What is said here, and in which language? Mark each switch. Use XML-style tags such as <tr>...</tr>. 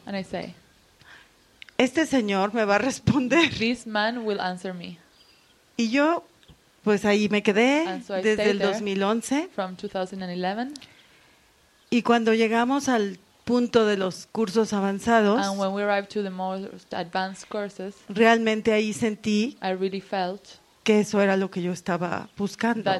<en>and I say,</en> <es>este señor me va a responder.</es> <en>This man will answer me.</en> <es>Y yo, pues ahí me quedé</es> <en>so</en> <es>desde el 2011.</es> <en>From 2011.</en> <es>Y cuando llegamos al punto de los cursos avanzados,</es> <en>and when we arrived to the most advanced courses,</en> <es>realmente ahí sentí</es> <en>I really felt</en> <es>que eso era lo que yo estaba buscando.</es>